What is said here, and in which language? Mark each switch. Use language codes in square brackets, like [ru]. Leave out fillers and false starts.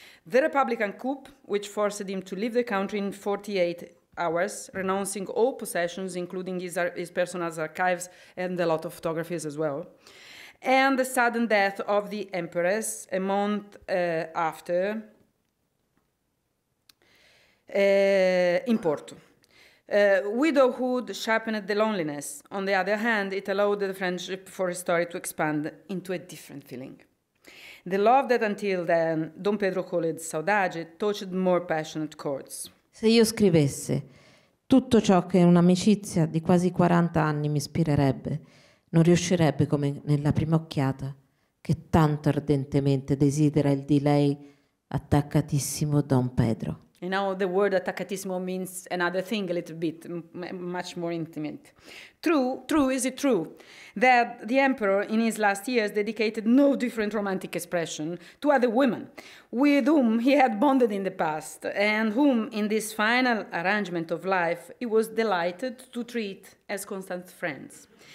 [en] The Republican coup, which forced him to leave the country in 48 hours, renouncing all possessions, including his personal archives and a lot of photographs as well, and the sudden death of the empress a month after in Porto. Widowhood sharpened the loneliness. On the other hand, it allowed the friendship for his story to expand into a different feeling. The love that until then D.Pedro called saudade touched more passionate chords. [it] Se io scrivesse, tutto ciò che un'amicizia di quasi 40 anni mi ispirerebbe, non riuscirebbe come nella prima occhiata che tanto ardentemente desidera il di lei attaccatissimo D.Pedro. [en] You know, the word attaccatissimo means another thing a little bit, much more intimate. True, is it true that the emperor in his last years dedicated no different romantic expression to other women with whom he had bonded in the past and whom in this final arrangement of life he was delighted to treat as constant friends?